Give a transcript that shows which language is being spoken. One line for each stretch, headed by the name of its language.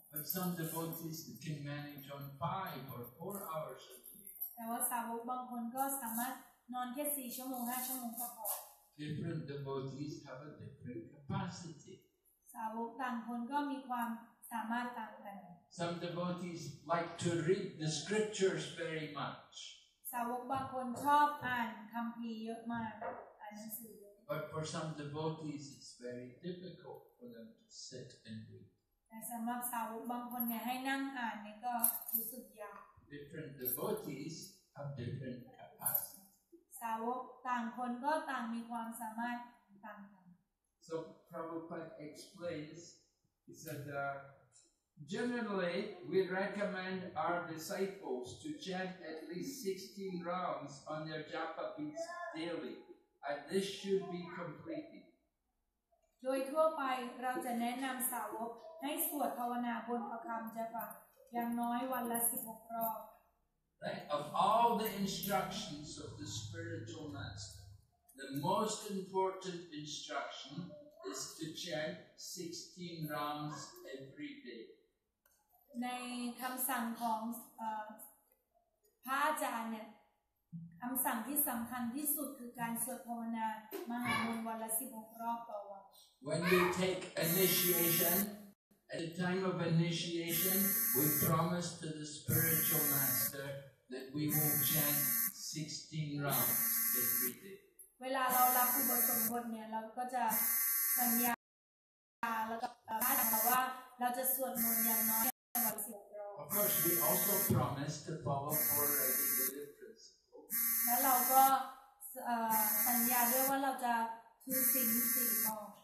English: but some devotees can manage on 5 or 4 hours a day
Thai: แต่ว่าสาวกบางคนก็สามารถนอนแค่4ชั่วโมง5ชั่วโมงก็พ
English: อ different devotees have a different capacity
Thai: สาวกต่างคนก็มีความสามารถต่างกัน
English: some devotees like to read the scriptures very much
Thai: สาวกบางคนชอบอ่านคัมภีร์เยอะมากอ่านหนังสือ
English: but for some devotees it's very difficult for them to sit and read
Thai: แต่สำหรับสาวกบางคนเนี่ยให้นั่งอ่านเนี่ยก็รู้สึกยาก
English: different devotees have different capacity
Thai: สาวกต่างคนก็ต่างมีความสามารถต่างกัน
English: so Prabhupada explains he said generally we recommend our disciples to chant at least 16 rounds on their japa beads daily and this should be completed
Thai: โดยทั่วไปเราจะแนะนำสาวกให้สวดภาวนาบนพระคำจะปะอย่างน้อยวันละ16รอบ
English: right of all the instructions of the spiritual master the most important instruction is to chant 16 rounds every day
Thai: ในคำสั่งของพระอาจารย์เนี่ยคำสั่งที่สำคัญที่สุดคือการสวดภาวนามหามงคลวันละ16รอบต่อวัน
English: When we take initiation at the time of initiation we promise to the spiritual master that we will chant 16 rounds every day
Thai: เวลาเรารับอุปสมบทเนี่ยเราก็จะสัญญาแล้วก็พระอาจารย์ว่าเราจะสวดมนต์อย่างน้อยวันละ16รอบ
English: Of course we also promise to follow already the principles
Thai: แล้วเราก็สัญญาด้วยว่าเราจะถือศีล4ข้อ